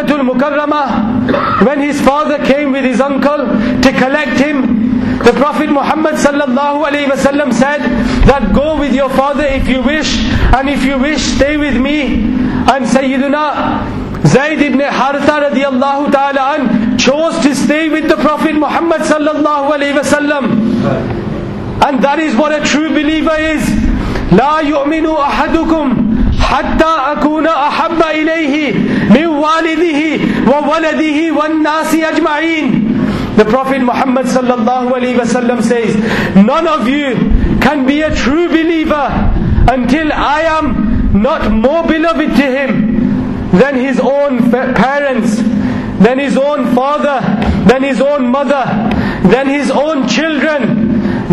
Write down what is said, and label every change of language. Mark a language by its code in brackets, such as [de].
[en] Mukarramah, when his father came with his uncle to collect him, the Prophet Muhammad sallallahu alayhi wa sallam said that go with your father if you wish, and if you wish stay with me. And Sayyiduna Zayd ibn Haritha radiallahu ta'ala an chose to stay with the Prophet Muhammad sallallahu alayhi wa sallam. And that is what a true believer is. [ar] لا يؤمن أحدكم حتى أكون أحب إليه من والده وولده والناس أجمعين. [en] The Prophet Muhammad sallallahu alaihi wasallam says, none of you can be a true believer until I am not more beloved to him than his own parents, than his own father, than his own mother, than his own children,